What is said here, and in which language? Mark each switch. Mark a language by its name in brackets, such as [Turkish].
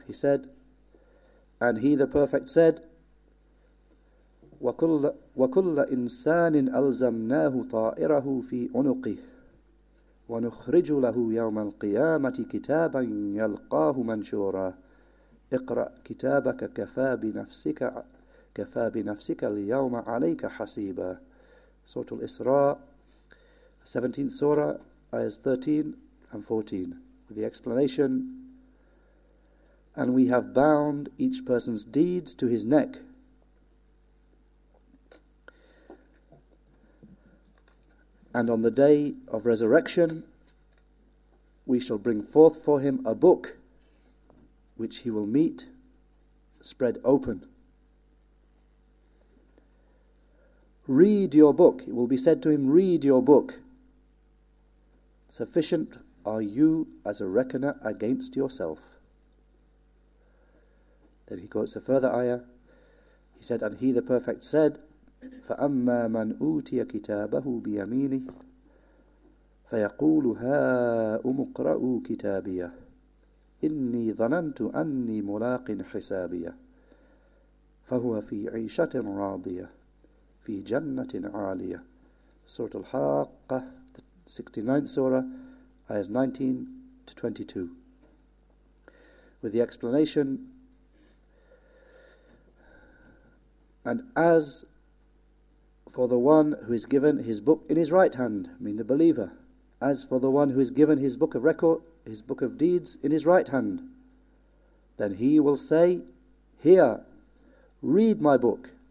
[English] He said, and he, the perfect, said, [Arabic] وَكُلَّ إِنسَانٍ أَلْزَمْنَاهُ طَائِرَهُ فِي عُنُقِهِ وَنُخْرِجُ لَهُ يَوْمَ الْقِيَامَةِ كِتَابًا يَلْقَاهُ مَنْشُورًا اِقْرَأْ كِتَابَكَ كَفَى بِنَفْسِكَ كَفَى بِنَفْسِكَ الْيَوْمَ عَلَيْكَ حَسِيبًا. [English] Surah Al-Isra, 17th surah, ayahs 13 and 14, with the explanation, and we have bound each person's deeds to his neck. And on the day of resurrection, we shall bring forth for him a book, which he will meet spread open. Read your book. It will be said to him, read your book. Sufficient are you as a reckoner against yourself. Then he quotes a further ayah. He said, and he, the perfect, said, [Arabic] فَأَمَّا مَنْ أُوْتِيَ كِتَابَهُ بِيَمِينِهِ فَيَقُولُ هَا أُمُقْرَأُوا كِتَابِيَ إِنِّي ظَنَنْتُ أَنِّي مُلَاقٍ حِسَابِيَ فَهُوَ فِي عِيشَةٍ رَاضِيَةٍ في جنة عالية. [English] سورة الحاقة, the 69th surah, ayahs 19 to 22. With the explanation, and as for the one who is given his book in his right hand, I mean the believer, as for the one who is given his book of record, his book of deeds in his right hand, then he will say, here, read my book.